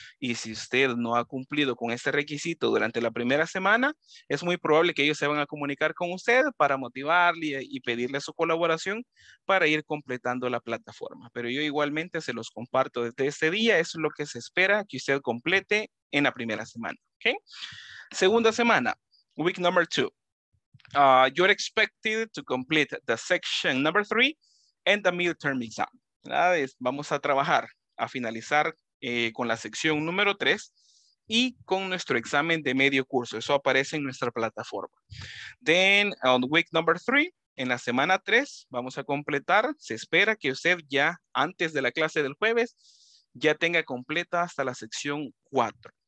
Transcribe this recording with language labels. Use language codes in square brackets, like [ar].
[es] Y si usted no ha cumplido con este requisito durante la primera semana, es muy probable que ellos se van a comunicar con usted para motivarle y pedirle su colaboración para ir completando la plataforma. Pero yo igualmente se los comparto desde este día. Eso es lo que se espera que usted complete en la primera semana. [en] ¿Okay? [es] Segunda semana, [en] week number 2. You're expected to complete the section number 3 and the midterm exam. [es] ¿Verdad? Vamos a trabajar a finalizar con la sección número 3 y con nuestro examen de medio curso. Eso aparece en nuestra plataforma. [en] Then on week number 3, [es] en la semana 3, vamos a completar. Se espera que usted ya antes de la clase del jueves ya tenga completa hasta la sección 4.